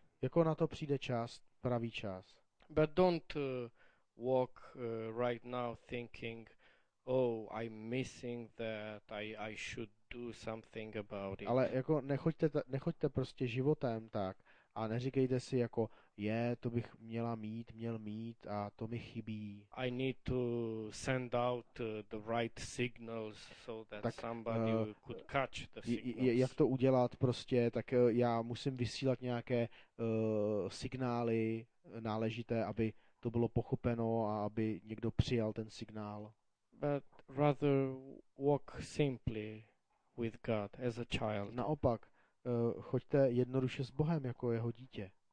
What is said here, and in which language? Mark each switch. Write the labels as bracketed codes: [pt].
[cs] Jako na to přijde čas, pravý čas. [en] But don't walk right now thinking, oh, I'm missing that, I should do something about it. [cs] Ale jako nechoďte prostě životem tak a neříkejte si jako, je, to bych měla mít, měl mít a to mi chybí. [en] I need to send out the right signals so that tak, somebody could catch the signals. [cs] Jak to udělat prostě, tak já musím vysílat nějaké signály náležité, aby to bylo pochopeno a aby někdo přijal ten signál. [en] But rather walk simply with God as a child. [cs] Naopak, choďte jednoduše s Bohem jako jeho dítě.